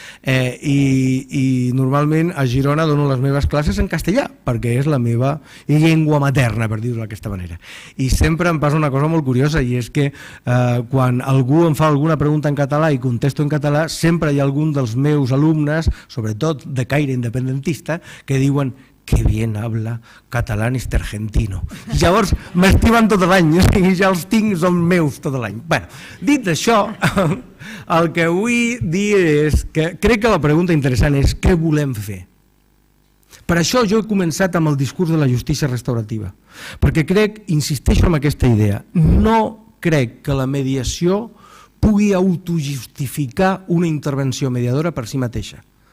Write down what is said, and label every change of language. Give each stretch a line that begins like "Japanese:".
Catalan: I normalment a Girona dono les meves classes en castellà, perquè és la meva llengua materna, per dir-ho d'aquesta manera. I sempre em passa una cosa molt curiosa, i és que quan algú em fa alguna pregunta en català i contesto en català, sempre hi ha algun dels meus alumnes, sobretot de caire independentista, que diuen...
Spanish: que bien habla catalán este argentino.
Catalan: I llavors m'estimen tot l'any, i ja els tinc, són meus tot l'any. Bé, dit això, el que vull dir és que crec que la pregunta interessant és què volem fer. Per això jo he començat amb el discurs de la justícia restaurativa, perquè crec, insisteixo en aquesta idea, no crec que la mediació pugui autojustificar una intervenció mediadora per si mateixa.